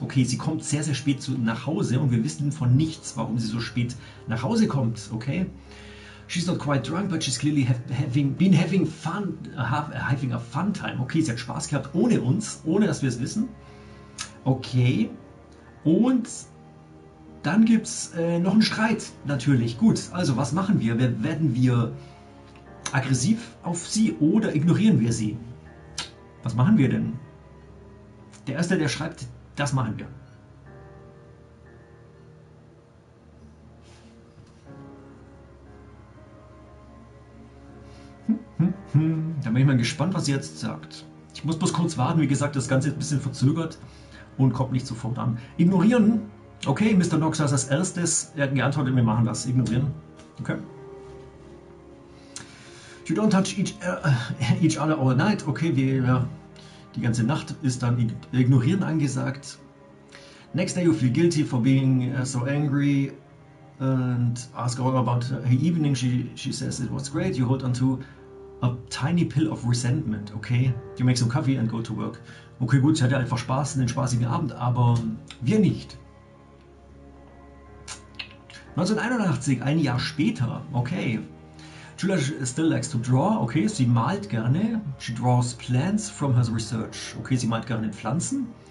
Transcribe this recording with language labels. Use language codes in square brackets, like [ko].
[de] Okay, sie kommt sehr, sehr spät nach Hause und wir wissen von nichts, warum sie so spät nach Hause kommt. Okay. [en] She's not quite drunk, but she's clearly having a fun time. [de] Okay, sie hat Spaß gehabt ohne uns, ohne dass wir es wissen. Okay. Und dann gibt es noch einen Streit, natürlich. Gut, also was machen wir? Werden wir aggressiv auf sie oder ignorieren wir sie? Was machen wir denn? Der Erste, der schreibt, das machen wir. Da bin ich mal gespannt, was sie jetzt sagt. Ich muss bloß kurz warten, wie gesagt, das Ganze ist ein bisschen verzögert und kommt nicht sofort an. Ignorieren. Okay, Mr. Knox, das ist das Erste. Er hat geantwortet, wir machen das. Ignorieren. Okay. [en] You don't touch each other all night. [de] Okay, die ganze Nacht ist dann ignorieren angesagt. [en] Next day you feel guilty for being so angry and ask her about her evening. She says it was great. You hold on to a tiny pill of resentment. Okay, you make some coffee and go to work. [de] Okay, gut, ich hatte einfach Spaß, einen spaßigen Abend, aber wir nicht. [en] 1981, [de] ein Jahr später. [en] Okay. Julia still likes to draw. Okay, [de] sie malt gerne. [en] She draws plants from her research. [de] Okay, sie malt gerne Pflanzen.